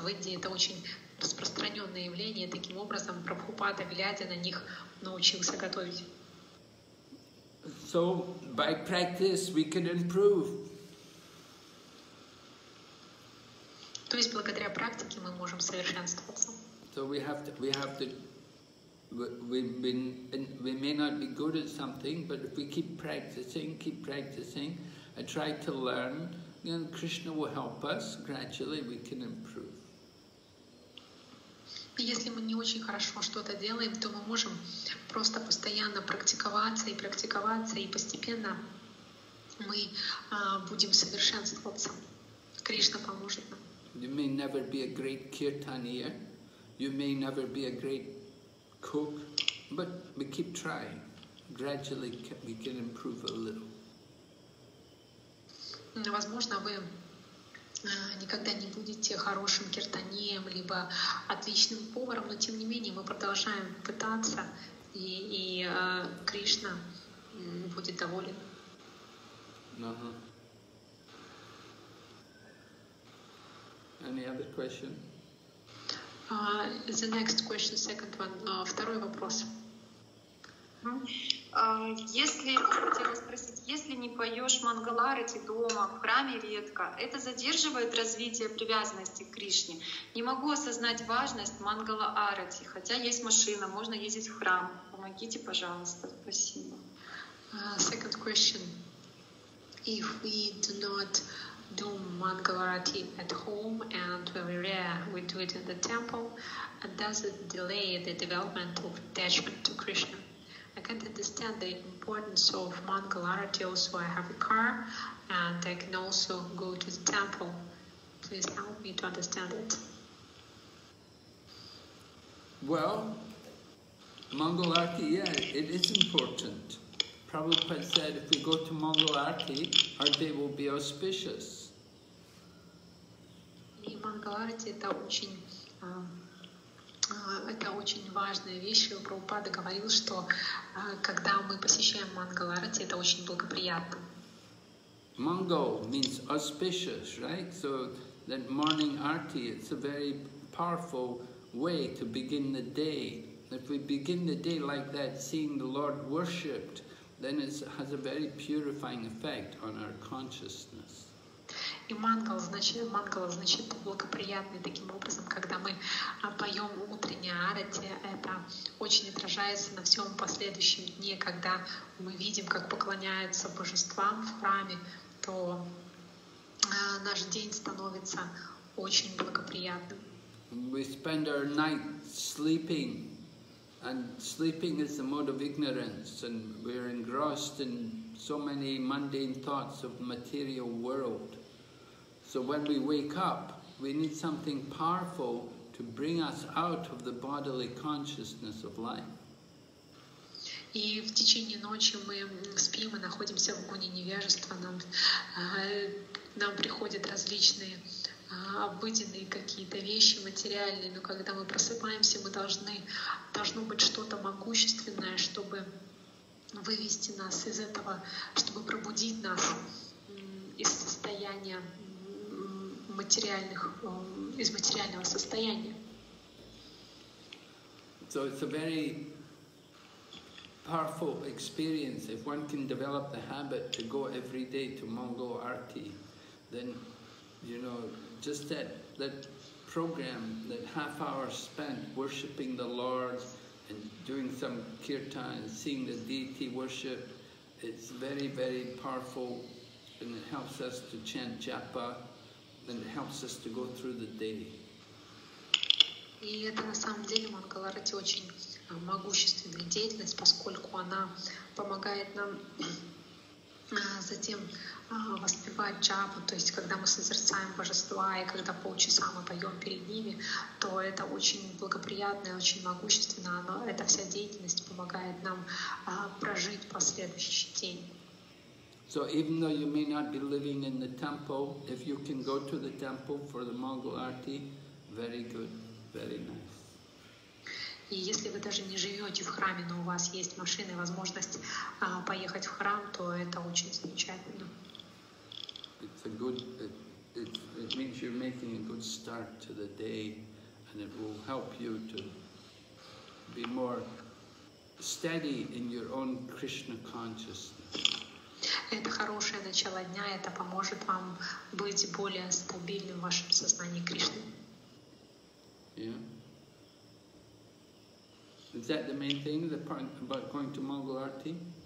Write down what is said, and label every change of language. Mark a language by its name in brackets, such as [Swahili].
[Russian] В Индии это очень распространенное явление, таким образом Прабхупада, глядя на них, научился готовить. [English] So by practice we can improve. [Russian] То есть благодаря практике мы можем совершенствоваться. [English] So we may not be good at something, but if we keep practicing and try to learn, then Krishna will help us. Gradually we can improve. [Russian] Если мы не очень хорошо что-то делаем, то мы можем просто постоянно практиковаться, и постепенно мы будем совершенствоваться. Кришна поможет нам. [English] You may never be a great kirtanier, you may never be a great cook, but we keep trying. Gradually we can improve a little. [Russian] Возможно, вы никогда не будете хорошим киртанием, либо отличным поваром, но тем не менее мы продолжаем пытаться, и Кришна будет доволен. [English] Uh-huh. Any other question? The next question, second one. [Russian] Второй вопрос. Если не поешь мангаларати дома, в храме редко, это задерживает развитие привязанности к Кришне. Не могу осознать важность мангаларати, хотя есть машина, можно ездить в храм. Помогите, пожалуйста. Спасибо. [English] Second question. If we do not do mangaларати at home and very rare, we do it in the temple, does it delay the development of attachment to Krishna? I can't understand the importance of mangaларати. Also, I have a car, and I can also go to the temple. Please help me to understand it. Well, mangaларати, yeah, it is important. Prabhupada said, if we go to mangaларати, our day will be auspicious. [Russian] И mangaларати это очень важная вещь. Прабхупада говорил, что когда мы посещаем мангаларати, это очень благоприятно. [English] Mangal means auspicious, right? So that morning arti, it's a very powerful way to begin the day. If we begin the day like that, seeing the Lord worshipped, then it has a very purifying effect on our consciousness. [Russian] И мангал значит благоприятный, таким образом, когда мы поем утреннее Бхарате это очень отражается на всем последующем дне, когда мы видим, как поклоняются божествам в храме, то наш день становится очень благоприятным. [English] We spend our night sleeping, and sleeping is the mode of ignorance, and we're engrossed in so many mundane thoughts of the material world. So when we wake up, we need something powerful to bring us out of the bodily consciousness of life. [Russian] И в течение ночи мы спим и находимся в гуне невежества. Нам приходят различные обыденные какие-то вещи материальные, но когда мы просыпаемся, мы должно быть что-то могущественное, чтобы вывести нас из этого, чтобы пробудить нас из состояния материальных, из материального состояния. [English] So it's a very powerful experience if one can develop the habit to go every day to Mangal Arati, then, you know, just that program, that half hour spent worshipping the Lord and doing some kirtan, seeing the deity worship, it's very, very powerful, and it helps us to chant japa, and it helps us to go through the day. [Russian] И это на самом деле Мангала Арати очень могущественная деятельность, поскольку она помогает нам затем воспевать джапу, то есть когда мы созерцаем божества и когда полчаса мы поем перед ними, то это очень благоприятно и очень могущественно, но эта вся деятельность помогает нам прожить последующий день. [English] So even though you may not be living in the temple, if you can go to the temple for the Mangal Arati, very good, very nice. [Russian] И если вы даже не живете в храме, но у вас есть машина и возможность поехать в храм, то это очень замечательно. [English] It's a good, it means you're making a good start to the day, and it will help you to be more steady in your own Krishna consciousness. [Russian] Это хорошее начало дня, это поможет вам быть более стабильным в вашем сознании Кришны. [English] Yeah. Is that the main thing, the part about going to Mangal Arati?